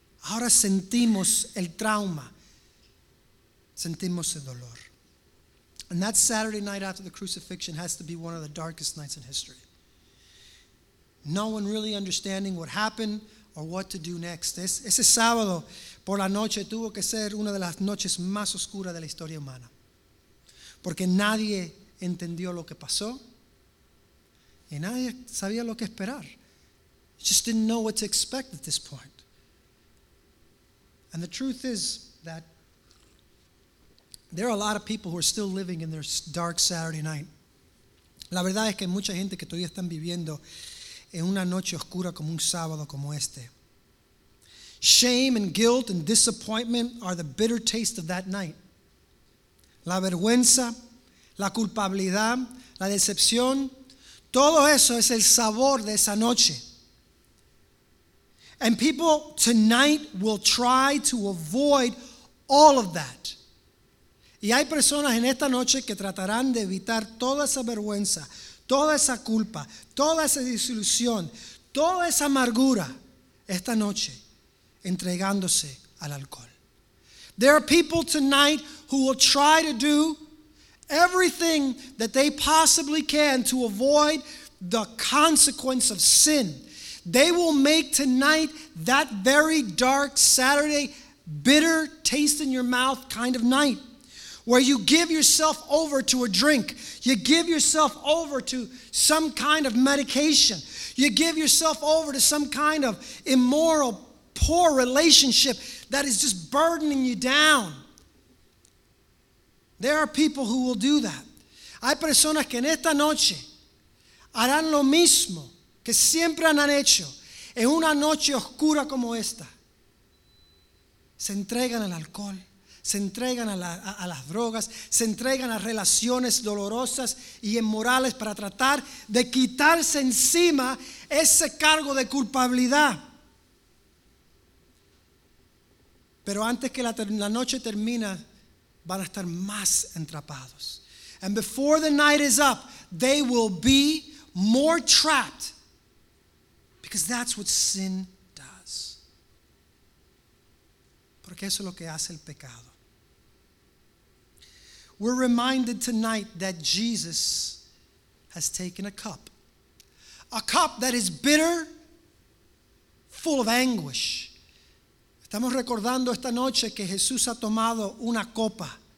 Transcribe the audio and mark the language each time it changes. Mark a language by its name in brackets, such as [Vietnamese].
[Spanish] Ahora sentimos el trauma, sentimos el dolor. [English] And that Saturday night after the crucifixion has to be one of the darkest nights in history. No one really understanding what happened or what to do next. [Spanish] Ese sábado por la noche tuvo que ser una de las noches más oscuras de la historia humana. Porque nadie entendió lo que pasó y nadie sabía lo que esperar. [English] Just didn't know what to expect at this point. And the truth is that there are a lot of people who are still living in their dark Saturday night. [Spanish] La verdad es que hay mucha gente que todavía están viviendo en una noche oscura como un sábado como este. [English] Shame and guilt and disappointment are the bitter taste of that night. [Spanish] La vergüenza, la culpabilidad, la decepción, todo eso es el sabor de esa noche. [English] And people tonight will try to avoid all of that. [Spanish] Y hay personas en esta noche que tratarán de evitar toda esa vergüenza, toda esa culpa, toda esa desilusión, toda esa amargura esta noche entregándose al alcohol. [English] There are people tonight who will try to do everything that they possibly can to avoid the consequence of sin. They will make tonight that very dark Saturday bitter taste in your mouth kind of night where you give yourself over to a drink. You give yourself over to some kind of medication. You give yourself over to some kind of immoral, poor relationship that is just burdening you down. There are people who will do that. [Spanish] Hay personas que en esta noche harán lo mismo que siempre han hecho en una noche oscura como esta. Se entregan al alcohol, se entregan a las drogas, se entregan a relaciones dolorosas y inmorales para tratar de quitarse encima ese cargo de culpabilidad. Pero antes que la noche termina, van a estar más entrapados. [English] And before the night is up, they will be more trapped. Because that's what sin does. [Spanish] Porque eso es lo que hace el pecado. [English] We're reminded tonight that Jesus has taken a cup. A cup that is bitter, full of anguish. [Spanish] Estamos recordando esta noche que Jesús ha tomado una copa.